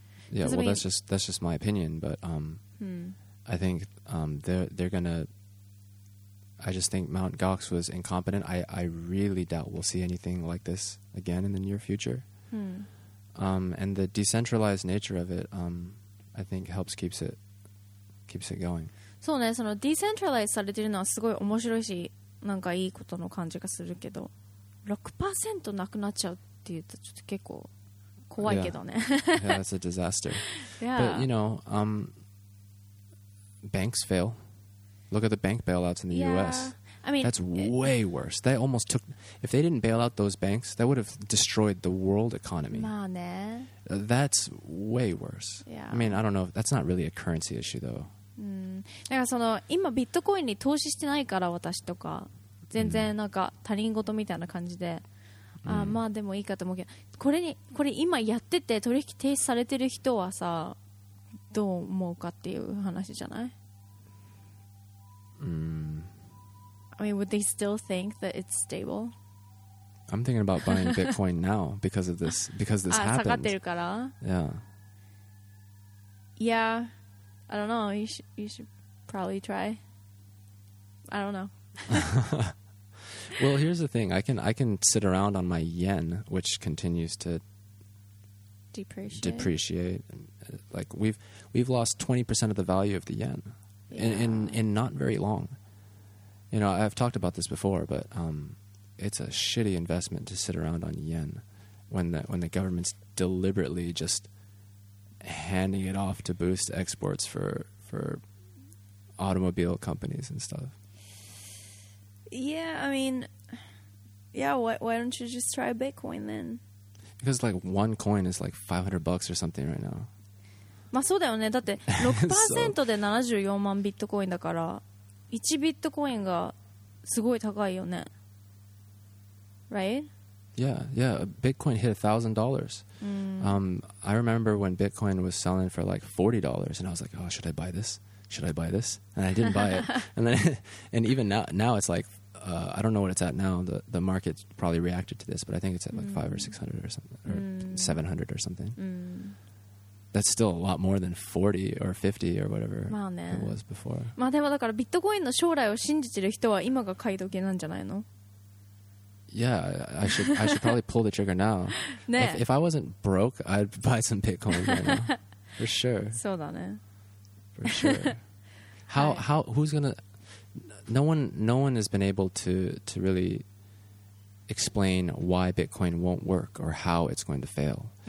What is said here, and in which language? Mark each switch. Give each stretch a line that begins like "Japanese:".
English: Yeah, well, that's just my opinion, but I think they're going to... I just think Mt. Gox was incompetent. I really doubt we'll see anything like this again in the near future. And the decentralized nature of it, I think helps keeps it going.
Japanese: そうね、その decentralized されてるのはすごい面白いし、なんかいいことの感じがするけど、6% なくなっちゃうって言うとちょっと結構怖いけどね。
English: Yeah, that's a disaster. Yeah. But, you know, banks fail. Look at the bank bailouts in the U.S. I mean, that's way worse. They almost took... If they didn't bail out those banks, that would have destroyed the world economy.
Japanese: まあね。
English: That's way worse. Yeah. I mean, I don't know. That's not really a currency issue, though.
Japanese: だからその、今ビットコインに投資してないから私とか、全然なんか他人事みたいな感じで、うん、あまあでもいいかと思うけど、これ今やってて取引停止されてる人はさどう思うかっていう話じゃない、うん、
English: I mean would they still think that it's stable? I'm thinking about buying Bitcoin now because of this, because this happened.
Japanese: 下がってるから
English: Yeah. Yeah, I don't know, you should probably try. I don't know. Well, here's the thing. I can sit around on my yen, which continues to depreciate. Like we've lost 20% of the value of the yen in not very long. You know, I've talked about this before, but it's a shitty investment to sit around on yen when the government's deliberately just handing it off to boost exports for automobile companies and stuff. Yeah, I mean, yeah, why don't you just try Bitcoin then? Because like one coin is like $500 or something right now.
Japanese: まあそうだよね。だって 6% で74万ビットコインだから1ビットコインがすごい高いよね。
English: Right? Yeah, yeah. Bitcoin hit $1,000. I remember when Bitcoin was selling for like $40 and I was like, oh, should I buy this? Should I buy this? And I didn't buy it. And then, and even now it's like, I don't know what it's at now. The market probably reacted to this, but I think it's at like 500 or 600 or something, or 700 or something. That's still a lot more than 40 or 50 or whatever it was before.
Japanese: まあでもだからビットコインの将来を信じてる人は今が買い時なんじゃないの?
English: Yeah, I should probably pull the trigger now.
Japanese: ね。
English: If I wasn't broke, I'd buy some Bitcoin right now. For sure.
Japanese: そうだね。
English: For sure. How who's gonna no one has been able to really explain why Bitcoin won't work or how it's going to fail.